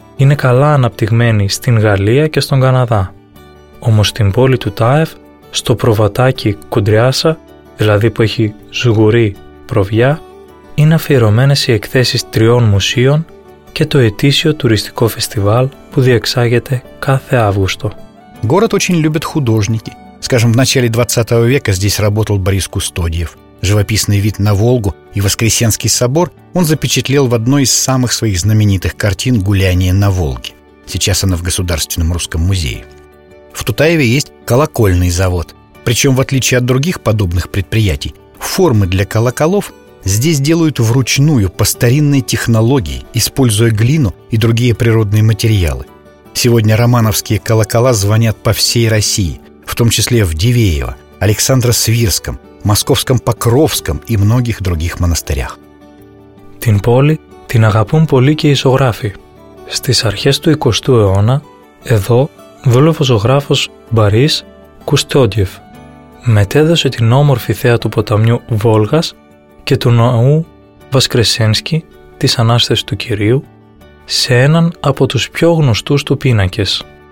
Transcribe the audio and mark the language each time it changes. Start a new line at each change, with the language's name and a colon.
Greek: είναι καλά αναπτυγμένη στην Γαλλία και στον Καναδά. Όμως στην πόλη του Τάεφ, στο προβατάκι Κουντριάσα, δηλαδή που έχει ζουγουρή προβιά, είναι αφιερωμένες οι εκθέσεις τριών μουσείων και το ετήσιο τουριστικό φεστιβάλ που διεξάγεται κάθε Αύγουστο.
Russian: Город очень любят художники. Скажем, в начале 20 века здесь работал Борис Кустодиев. Живописный вид на Волгу и Воскресенский собор он запечатлел в одной из самых своих знаменитых картин «Гуляние на Волге». Сейчас она в Государственном русском музее. В Тутаеве есть колокольный завод. Причем, в отличие от других подобных предприятий, формы для колоколов здесь делают вручную по старинной технологии, используя глину и другие природные материалы. Сегодня романовские колокола звонят по всей России, в том числе в Дивеево, Александро-Свирском, Московском Покровском и многих других монастырях.
Greek: Την πόλη την αγαπούν πολύ και οι ζωγράφοι. Στις αρχές του 20ου αιώνα, εδώ δούλευε ο ζωγράφος Μπορίς Κουστόντιεφ. Μετέδωσε την όμορφη θέα του ποταμιού Βόλγας και του ναού Βασκρεσένσκι της Ανάστασης του Κυρίου σε έναν από τους πιο γνωστούς του πίνακες.